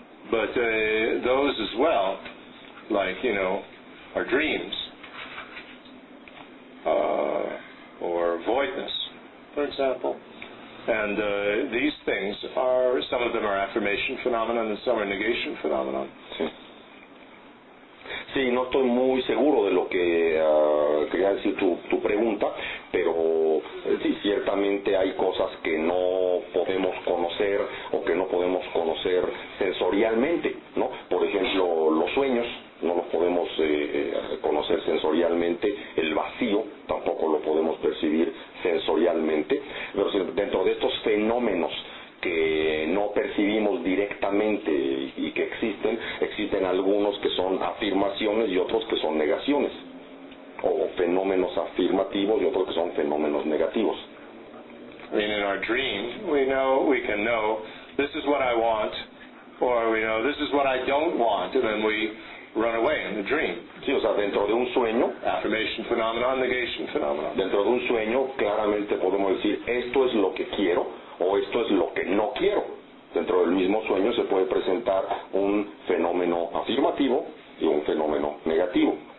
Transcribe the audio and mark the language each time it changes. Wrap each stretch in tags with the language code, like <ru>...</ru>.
<en>But those as well, like, you know, our dreams, or voidness, for example. And these things are, some of them are affirmation phenomenon and some are negation phenomenon.</en> <es>Sí, no estoy muy seguro de lo que quería decir tu pregunta, pero sí, ciertamente hay cosas que no podemos conocer o que no podemos conocer sensorialmente, ¿no? Por ejemplo, los sueños no los podemos conocer sensorialmente, el vacío tampoco lo podemos percibir sensorialmente, pero dentro de estos fenómenos que no percibimos directamente y que existen algunos que son afirmaciones y otros que son negaciones, o fenómenos afirmativos y otros que son fenómenos negativos.</es> <en>I mean, in our dream, we can know this is what I want, or we know this is what I don't want, and then we run away in the dream.</en> <es>Sí, o sea, dentro de un sueño,</es> <en>affirmation phenomenon, negation phenomenon.</en> <es>Dentro de un sueño, claramente podemos decir esto es lo que quiero o esto es lo que no quiero. Dentro del mismo sueño se puede presentar un fenómeno afirmativo y un fenómeno negativo.</es>